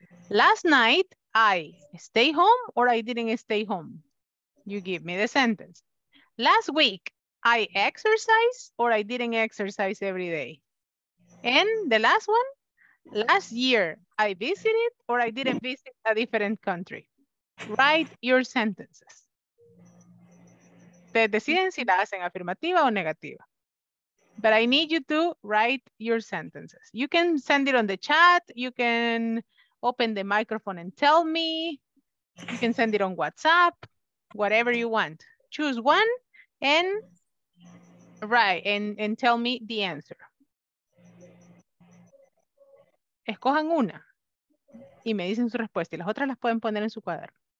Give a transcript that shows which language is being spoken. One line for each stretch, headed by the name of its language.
English: Last night, I stay home or I didn't stay home. You give me the sentence. Last week, I exercise or I didn't exercise every day. And the last one, last year, I visited or I didn't visit a different country. Write your sentences.
Spanish: Ustedes deciden si la hacen afirmativa o negativa.
English: But I need you to write your sentences. You can send it on the chat. You can open the microphone and tell me. You can send it on WhatsApp, whatever you want. Choose one and write and tell me the answer.
Spanish: Escojan una y me dicen su respuesta y las otras las pueden poner en su cuaderno.